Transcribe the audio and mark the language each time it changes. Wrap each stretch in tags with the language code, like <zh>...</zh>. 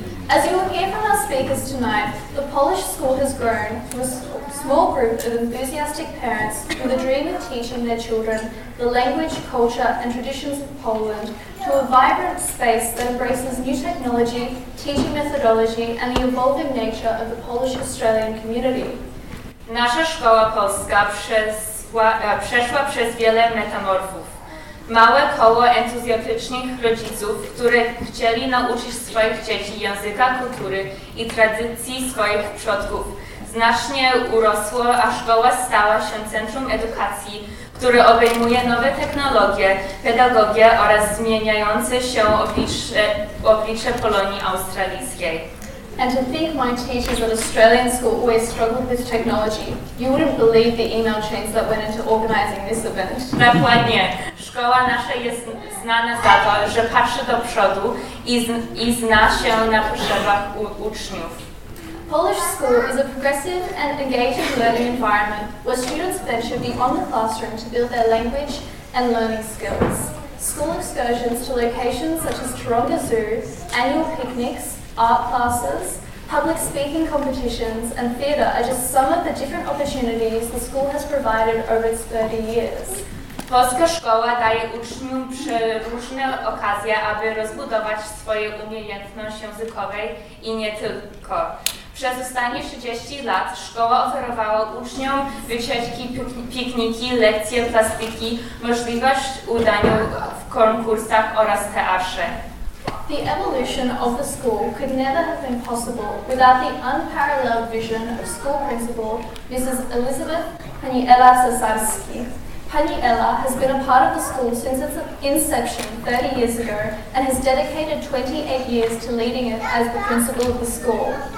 <en>As you will hear from our speakers tonight, the Polish school has grown from a small group of enthusiastic parents with a dream of teaching their children the language, culture and traditions of Poland to a vibrant space that embraces new technology, teaching methodology and the evolving nature of the Polish-Australian community.</en> <pl>Nasza Szkoła Polska przeszła przez wiele metamorfów. Małe koło entuzjastycznych rodziców, które chcieli nauczyć swoich dzieci języka, kultury i tradycji swoich przodków, znacznie urosło, a szkoła stała się centrum edukacji, które obejmuje nowe technologie, pedagogię oraz zmieniające się oblicze Polonii australijskiej.</pl> <en>And to think my teachers at Australian school always struggled with technology. You wouldn't believe the email chains that went into organizing this event.</en> <pl>Dokładnie. Szkoła nasza jest znana za to, że patrzy do przodu i zna się na potrzebach uczniów.</pl> <en>Polish school is a progressive and engaging learning environment where students venture beyond the classroom to build their language and learning skills. School excursions to locations such as Taronga Zoo, annual picnics, art classes, public speaking competitions and theatre are just some of the different opportunities the school has provided over its 30 years.</en> <pl>Polska szkoła daje uczniom przeróżne okazje, aby rozbudować swoje umiejętności językowe i nie tylko. Przez ostatnie 30 lat szkoła oferowała uczniom wycieczki, pikniki, lekcje plastyki, możliwość udania w konkursach oraz teatrze.</pl> <en>The evolution of the school could never have been possible without the unparalleled vision of school principal Mrs. Elizabeth Pani Ela Sasarski. Pani Ela has been a part of the school since its inception 30 years ago and has dedicated 28 years to leading it as the principal of the school.</en>